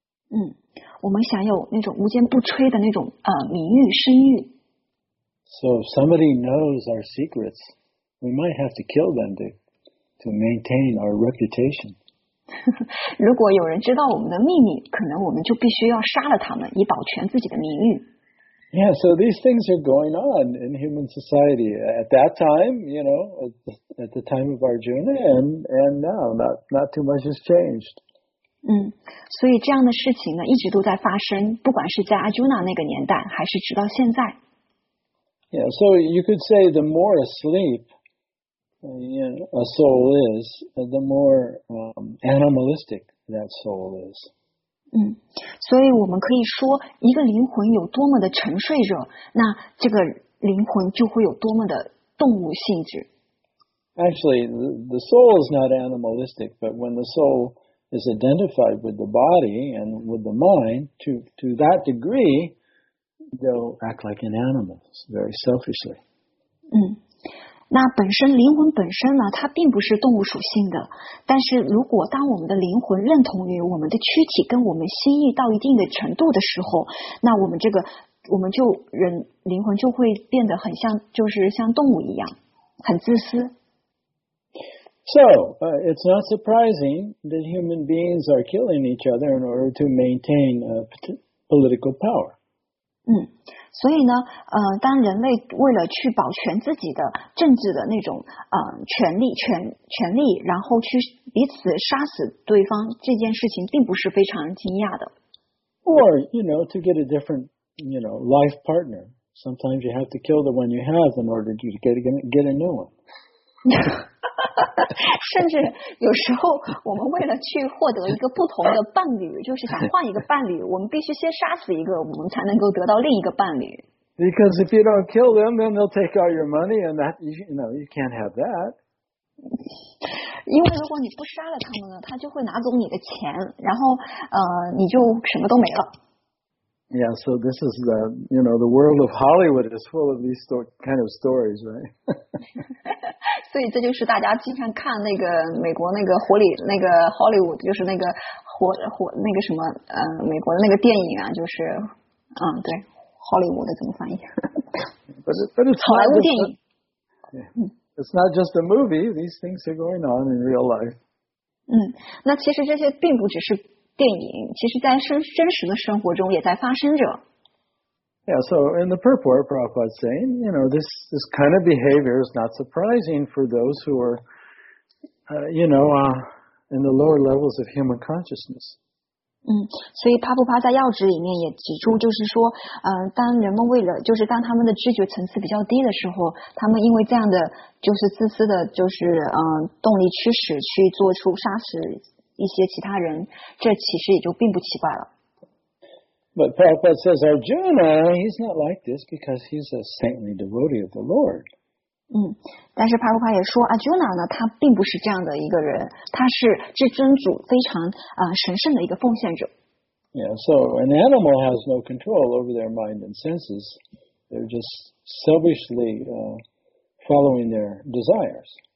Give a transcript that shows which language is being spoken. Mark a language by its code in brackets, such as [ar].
[zh] 嗯，我们想有那种无坚不摧的那种名誉声誉。 [en] So if somebody knows our secrets, we might have to kill them to maintain our reputation. [zh] 如果有人知道我们的秘密，可能我们就必须要杀了他们，以保全自己的名誉。 [en] Yeah, so these things are going on in human society at that time, you know, at the time of Arjuna, and now not too much has changed. [zh] 嗯，所以这样的事情呢，一直都在发生，不管是在 Arjuna 那个年代，还是直到现在。 [en] Yeah, so you could say the more asleep. A soul is, the more animalistic that soul is. [zh] 嗯，所以我们可以说，一个灵魂有多么的沉睡着，那这个灵魂就会有多么的动物性质。 [en] Actually, the soul is not animalistic, but when the soul is identified with the body and with the mind, to that degree, they'll act like an animal, very selfishly. [zh] 嗯。那本身灵魂本身呢，它并不是动物属性的。但是如果当我们的灵魂认同于我们的躯体跟我们心意到一定的程度的时候，那我们这个我们就人灵魂就会变得很像，就是像动物一样，很自私。 [en] So, it's not surprising that human beings are killing each other in order to maintain political power. [zh] 嗯。所以呢，当人类为了去保全自己的政治的那种权力，然后去彼此杀死对方，这件事情并不是非常惊讶的。 [en] Or you know to get a different you know life partner, sometimes you have to kill the one you have in order to get a new one. [zh] 甚至有时候我们为了去获得一个不同的伴侣，就是想换一个伴侣，我们必须先杀死一个，我们才能够得到另一个伴侣。 [en] Because if you don't kill them, then they'll take all your money, and that you know you can't have that. [zh] 因为如果你不杀了他们呢，他就会拿走你的钱，然后你就什么都没了。 [en] Yeah, so this is the, you know, the world of Hollywood is full of these kind of stories, right? [zh] 所以这就是大家经常看那个美国那个活里那个 Hollywood， 就是那个活活那个什么美国的那个电影啊，就是对 Hollywood 怎么翻译？ [en] But it's [zh] 好莱坞电影。 [en] Yeah. It's not just a movie. These things are going on in real life. [zh] 那其实这些并不只是电影，其实在真实的生活中也在发生着。 [en] Yeah, so in the purport, Prabhupada's saying, you know, this kind of behavior is not surprising for those who are, in the lower levels of human consciousness. [zh] 所以帕布帕在要旨里面也指出，就是说，当人们为了，就是当他们的知觉层次比较低的时候，他们因为这样的就是自私的，就是动力驱使去做出杀死一些其他人，这其实也就并不奇怪了。 [en] But Prabhupada says Arjuna, he's not like this because he's a saintly devotee of the Lord. [zh] 但是帕布帕也说 ，Arjuna 呢，他并不是这样的一个人，他是至尊主非常神圣的一个奉献者。 [en] Yeah, so an animal has no control over their mind and senses; they're just selfishly following their desires.